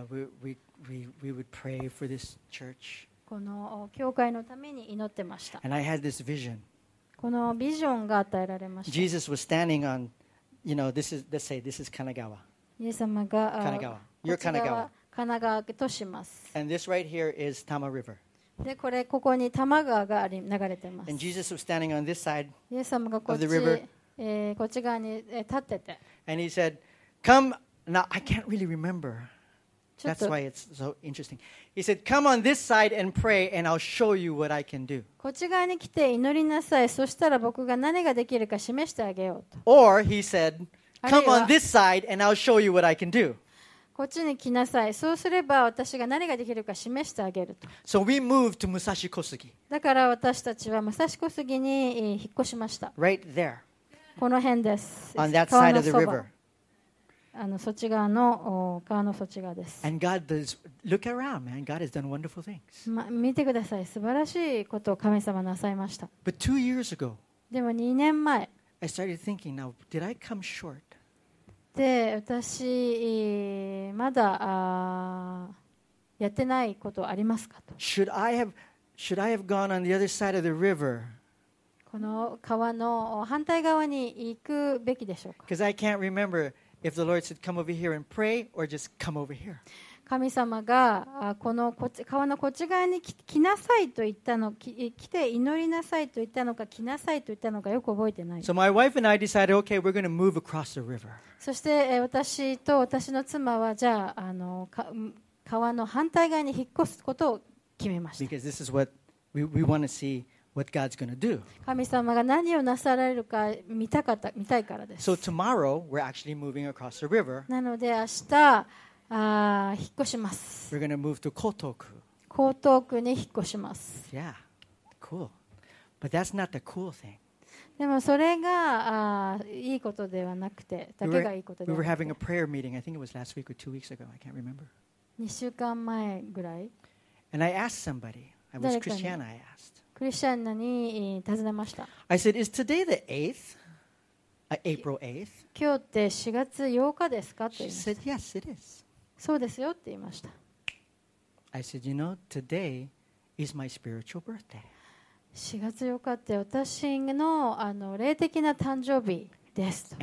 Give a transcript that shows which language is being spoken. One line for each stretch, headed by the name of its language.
English: We would pray for this church.
Japanese: この教会のために祈ってました。
English: And I had this vision.
Japanese: このビジョンが与えられました。
English: Jesus was standing on, you know, this is let's say this is Kanagawa.
Japanese: イエス様が
English: Kanagawa. You're Kanagawa.
Japanese: 神奈川とします。
English: And this right here is Tama River.
Japanese: でこれここに多摩川が流れてます。
English: And Jesus was standing on this side.
Japanese: イエス様がこっち。こっち側に立ってて。
English: And he said, come, now I can't really remember. That's why it's so interesting. He said, come on this side and pray and I'll show you what I can do.
Japanese: こっち側に来て祈りなさい。そしたら僕が何ができるか示してあげようと。
English: Or he said, come on this side and I'll show you what I can do.
Japanese: こっちに来なさい。そうすれば私が何ができるか示してあげると。
English: So we moved to Musashi Kosugi.
Japanese: だから私たちは武蔵小杉に引っ越しました。
English: Right there.
Japanese: この辺です。
English: On that side of the river.
Japanese: そっち側の川のそっち側です。
English: And God does look around, man. God has done wonderful things.
Japanese: 見てください。素晴らしいことを神様なさいました。
English: But 2 years ago,
Japanese: でも2年前、
English: I started thinking, now, did I come short?
Japanese: で、私まだやってないことありますかと。
English: Should I have gone on the other side of the river?
Japanese: この川の反対側に行くべきでしょうか。
English: Because I can't remember if the Lord said come over here and pray or just come over here.
Japanese: 神様がこの川のこっち側に来なさいと言ったの、来て祈りなさいと言ったのか来なさいと言ったのかよく覚えてない。
English: So my wife and I decided, okay, we're going to move across the river.
Japanese: そして私と私の妻はじゃあ川の反対側に引っ越すことを決めました。
English: Because this is what we want to see. What God's gonna do.
Japanese: 神様が何をなさられるか見たいからです。
English: So tomorrow we're actually moving across the river.
Japanese: なので明日引っ越します。
English: We're gonna move to Kotoku.
Japanese: 江東区に引っ越します。
English: Yeah, cool. But that's not the cool thing.
Japanese: でもそれがいいことではなくて、だけがいいことではなくて。
English: We were having a prayer meeting. I think it was last week or 2 weeks ago. I can't remember.
Japanese: 2週間前ぐらい。
English: And I asked somebody. I was Christiana. I asked.
Japanese: クリスチャンに尋ねました。
English: I said, is today the 8th? April 8th?
Japanese: 今日って4月8日ですかって言いました。
English: She said, yes, it is.
Japanese: そうですよって言いました。
English: I said, you know, today is my spiritual birthday.
Japanese: 4月8日って私の霊的な誕生日ですと。